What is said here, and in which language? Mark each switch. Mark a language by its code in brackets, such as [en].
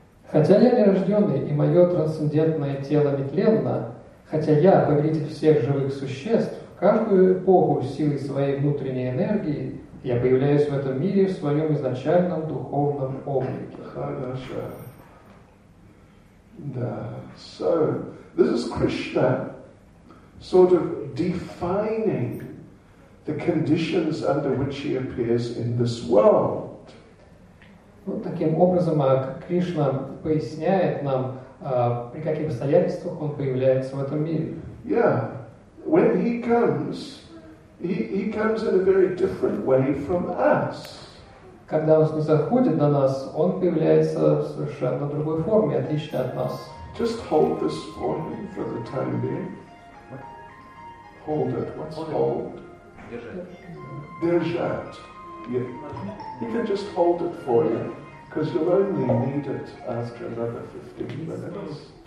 [ru] Хотя я нерожденный и мое трансцендентное тело нетленно, хотя я повелитель всех живых существ, каждую эпоху силы своей внутренней энергии я появляюсь в этом мире в своем изначальном духовном облике. Хорошо. Да. [en] So, this is Krishna sort of defining the conditions under which he appears in this world. [ru] Вот таким образом Кришна поясняет нам при каких обстоятельствах он появляется в этом мире. [en] Yeah, when he comes, he comes in a very different way from us. [ru] Когда он заходит на нас, он появляется в совершенно другой форме, отличной от нас. [en] Just hold this for me for the time being. Hold it. What's hold? [ru] Держать. Держать. [en] Yeah. He can just hold it for you, because you'll only need it after another 15 minutes.